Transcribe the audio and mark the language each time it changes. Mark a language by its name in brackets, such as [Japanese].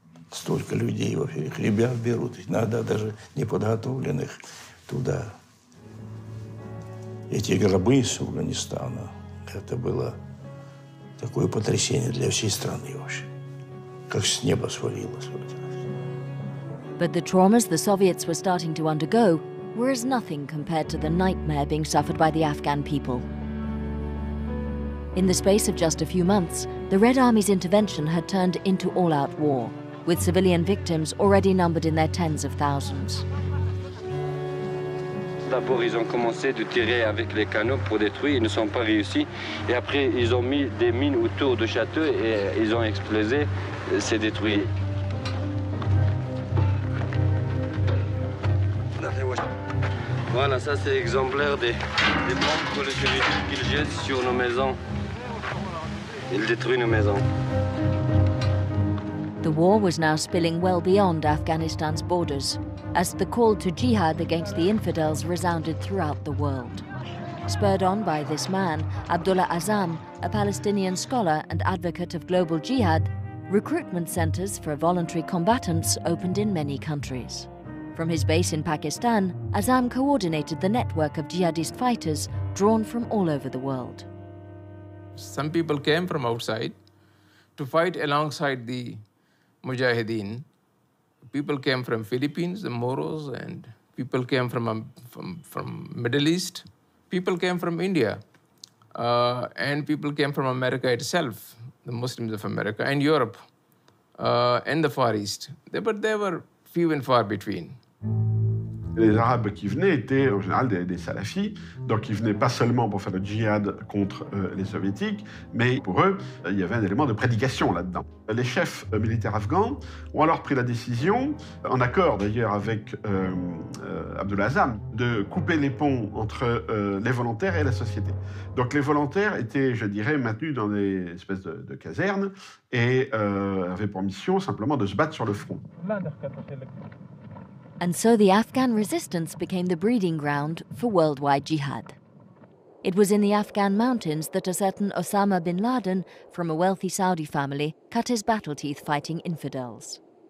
[Russian] Столько людей, во-первых, ребят берут, иногда даже неподготовленных туда. Эти гробы из Афганистана, это было такое потрясение для всей страны вообще. Как с неба свалилось вот. [English] But the traumas the Soviets were starting to undergo were as nothing compared to the nightmare being suffered by the Afghan people. In the space of just a few months, the Red Army's intervention had turned into all-out war, with civilian victims already numbered in their tens of thousands. [French] D'abord, ils ont commencé de tirer avec les canons pour détruire. Ils ne sont pas réussis. Et après, ils ont mis des mines autour du château et ils ont explosé. C'est détruit. Voilà, ça c'est exemplaire des bombes que les Soviétiques jettent sur nos maisons. Ils détruisent nos maisons. [English] The war was now spilling well beyond Afghanistan's borders, as the call to jihad against the infidels resounded throughout the world. Spurred on by this man, Abdullah Azam, a Palestinian scholar and advocate of global jihad, recruitment centers for voluntary combatants opened in many countries. From his base in Pakistan, Azam coordinated the network of jihadist fighters drawn from all over the world. Some people came from outside to fight alongside the Mujahideen. People came from Philippines, the Moros, and people came from Middle East. People came from India, and people came from America itself, the Muslims of America, and Europe, and the Far East. But they were few and far between. [French] Les Arabes qui venaient étaient en général des salafis, donc ils venaient pas seulement pour faire le djihad contre les Soviétiques, mais pour eux, il y avait un élément de prédication là-dedans. Les chefs militaires afghans ont alors pris la décision, en accord d'ailleurs avec Abdullah Azam, de couper les ponts entre les volontaires et la société. Donc les volontaires étaient, je dirais, maintenus dans des espèces de casernes et avaient pour mission simplement de se battre sur le front. [English] And so the Afghan resistance became the breeding ground for worldwide jihad. It was in the Afghan mountains that a certain Osama bin Laden, from a wealthy Saudi family, cut his battle teeth fighting infidels.